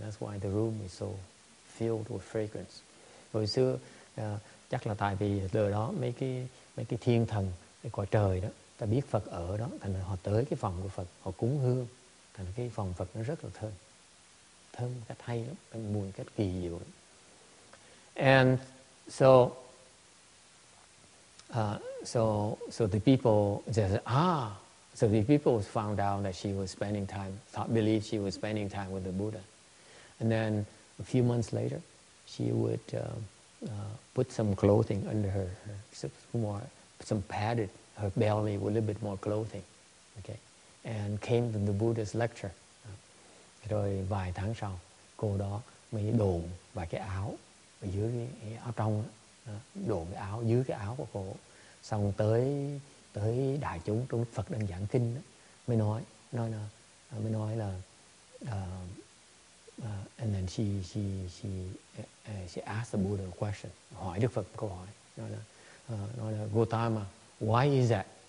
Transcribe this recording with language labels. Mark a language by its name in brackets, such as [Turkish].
[English] That's why the room is so filled with fragrance. [Vietnamese] Hồi xưa chắc là tại vì từ đó mấy cái thiên thần cái cõi trời đó, ta biết Phật ở đó, thành họ tới cái phòng của Phật, họ cúng hương, thành cái phòng Phật nó rất là thơm, thơm cách hay lắm, cái mùi cách kỳ diệu. [English] And so the people said, so the people found out that she was spending time, believed she was spending time with the Buddha. And then a few months later, she would put some clothing under her more, some padded her belly with a little bit more clothing, okay, and came to the Buddha's lecture. [Vietnamese] Rồi vài tháng sau, cô đó mới đồn vài cái áo ở dưới cái áo trong, đồn cái áo dưới cái áo của cô. Xong tới đại chúng trong Phật đang giảng kinh đó, mới nói là [English] and then she asked the Buddha a question, [Vietnamese] hỏi Đức Phật câu hỏi, nói là Gautama, [English] why is that?